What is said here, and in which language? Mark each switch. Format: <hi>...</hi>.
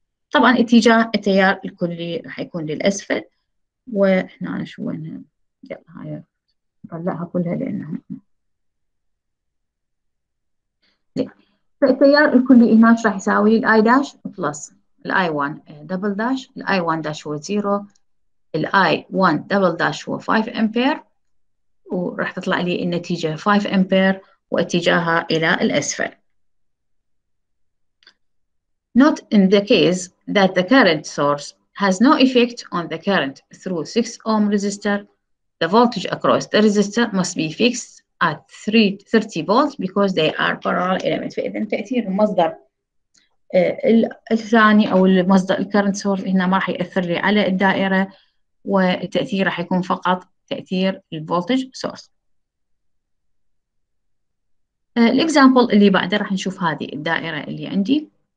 <ar>طبعا اتجاه التيار الكلي راح يكون للاسفل، واحنا شو وين يلا هاي طلعها كلها لانه التيار الكلي هنا ايش راح يساوي لي؟ الاي داش بلس الاي 1 دبل داش، الاي 1 داش هو 0، الـ I1 دبل داش هو 5 أمبير، وراح تطلع لي النتيجة 5 أمبير واتجاهها إلى الأسفل.</ar> <en>Not in the case that the current source has no effect on the current through 6 ohm resistor, the voltage across the resistor must be fixed at 30 volts because they are parallel elements.</en> <ar>فإذا تأثير المصدر الثاني أو المصدر الكرنت سورس هنا ما راح يأثر لي على الدائرة، وتأثير راح يكون فقط تأثير الفولتج سورس. الإكزامبل اللي بعده راح نشوف هذه الدائرة اللي عندي.</ar>